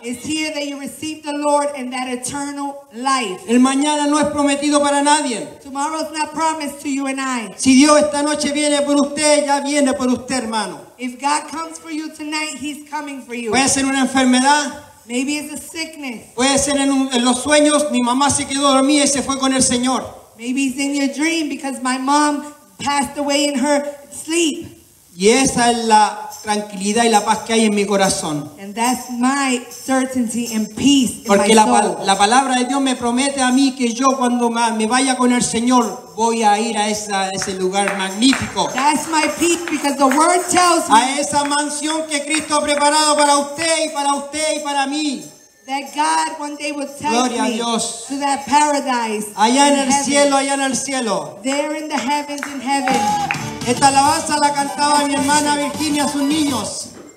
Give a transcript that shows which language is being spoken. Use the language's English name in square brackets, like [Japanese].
[English] It's here that you receive the Lord and that eternal life. [Spanish] El mañana no es prometido para nadie. [English] Tomorrow's not promised to you and I. [Spanish] Si Dios esta noche viene por usted, ya viene por usted, hermano. [English] If God comes for you tonight, He's coming for you. [Spanish] Puede ser una enfermedad. [English] Maybe it's a sickness. [Spanish] Puede ser en los sueños, mi mamá se quedó dormida y se fue con el Señor. [English] Maybe it's in your dream because my mom passed away in her sleep. [Spanish] Y esa es la tranquilidad y la paz que hay en mi corazón. [English] And that's my certainty and peace in my soul. [Spanish] La palabra de Dios me promete a mí que yo cuando me vaya con el Señor voy a ir a ese lugar magnífico. [English] That's my peace because the word tells me. [Spanish] A esa mansión que Cristo ha preparado para usted y para mí. [English] That God one day will take [Spanish] Gloria [English] me [Spanish] a Dios. [English] To that paradise. [Spanish] Allá en el cielo, [English] There in the heavens, in heaven. [Spanish] Esta alabanza la cantaba mi hermana Virginia a sus niños.